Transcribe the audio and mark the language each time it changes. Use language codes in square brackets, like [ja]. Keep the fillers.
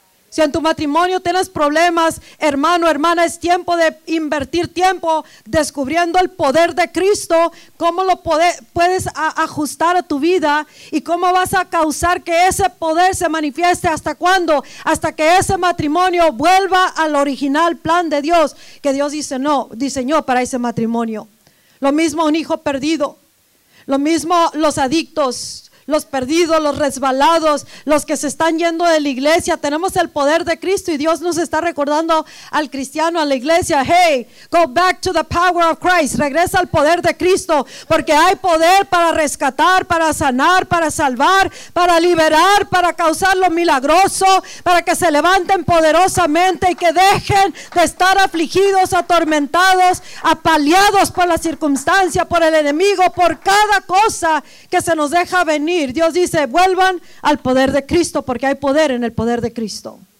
[es] Si en tu matrimonio tienes problemas, hermano, hermana, es tiempo de invertir tiempo descubriendo el poder de Cristo, cómo lo pode, puedes a, ajustar a tu vida y cómo vas a causar que ese poder se manifieste hasta cuándo, hasta que ese matrimonio vuelva al original plan de Dios que Dios dice, no, diseñó para ese matrimonio. Lo mismo un hijo perdido, lo mismo los adictos, los perdidos, los resbalados, los que se están yendo de la iglesia. Tenemos el poder de Cristo y Dios nos está recordando al cristiano, a la iglesia. [en] Hey, go back to the power of Christ. [es] Regresa al poder de Cristo, porque hay poder para rescatar, para sanar, para salvar, para liberar, para causar lo milagroso, para que se levanten poderosamente y que dejen de estar afligidos, atormentados, apaleados por la circunstancia, por el enemigo, por cada cosa que se nos deja venir Dios dice, vuelvan al poder de Cristo, porque hay poder en el poder de Cristo.